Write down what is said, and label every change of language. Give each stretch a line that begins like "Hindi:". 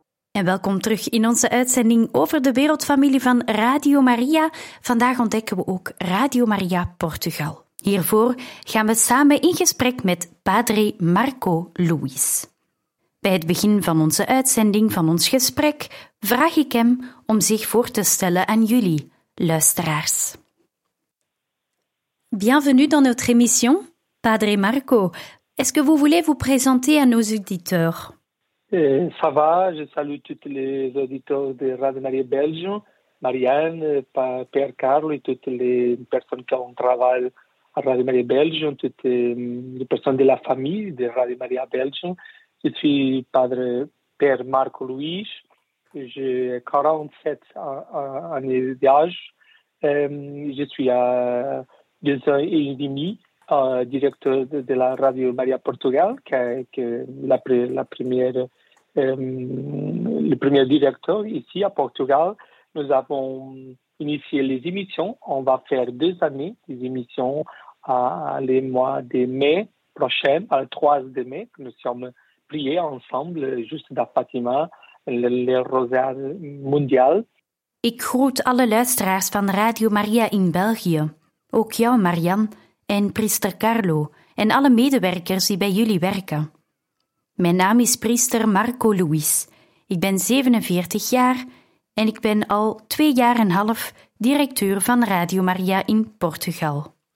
Dutch: En welkom terug in onze uitzending over de wereldfamilie van Radio Maria. Vandaag ontdekken we ook Radio Maria Portugal. Hiervoor gaan we samen in gesprek met Padre Marco Luis. Bij het begin van onze uitzending, van ons gesprek, vraag ik hem om zich voor te stellen aan jullie, luisteraars.
French: Bienvenue dans notre émission, Padre Marco. Est-ce que vous voulez vous présenter à nos auditeurs? Ça va, je salue tous les auditeurs de Radio Maria Belgium, Marianne, Père Carlo et toutes les personnes qui ont travaillé à Radio Maria Belgium, toutes les personnes de la famille de Radio Maria Belgium. Je suis Padre Père Marco Luis, j'ai 47 années d'âge. Je suis à 2 ans et demi. Directeur de la Radio Maria Portugal, le premier directeur ici à Portugal. Nous avons initié les émissions. On va faire 2 années des émissions les mois de mai prochain, le 3 de mai. Nous sommes priés ensemble, juste dans Fatima, le rosaire mondial.
Dutch: Ik groet alle luisteraars van Radio Maria in België. Ook jou, Marianne. En priester Carlo, en alle medewerkers die bij jullie werken. Mijn naam is priester Marco Luis. Ik ben 47 jaar en ik ben al 2,5 jaar directeur van Radio Maria in Portugal.